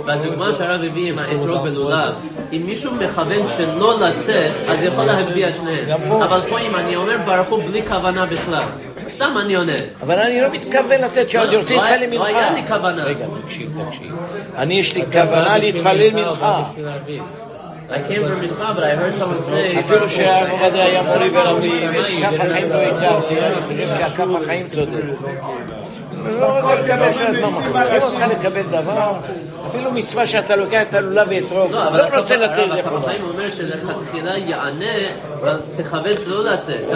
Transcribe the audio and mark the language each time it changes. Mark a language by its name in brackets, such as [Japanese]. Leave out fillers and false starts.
[Hebrew] בדוגמה שהרב הביא עם האתרוג בלולב, אם מישהו מכוון שלא לצאת, אז יכול להגביע את שניהם. אבל פה אם אני אומר ברכו בלי כוונה בכלל. סתם אני עונה. אבל אני לא מתכוון לצאת שעוד ירצה להתפלל מנחה. לא היה לי כוונה. רגע, תקשיב, תקשיב. אני יש לי כוונה להתפלל מנחה. [English] I came from Mincha, but I heard someone say... [Hebrew] אפילו שהרב עובדיה היה מורי ורבי, וכך החיים לא הייתה, אני חושב שהכף החיים צודק. לא רוצה לקבל שאת ממחה, לא רוצה לקבל דבר, אפילו מצווה שאתה לוקח את הלולה ואתרוג, לא רוצה לצאת לכל. הרב החיים אומר שלכתחילה יענה, תכוון שלא לצאת.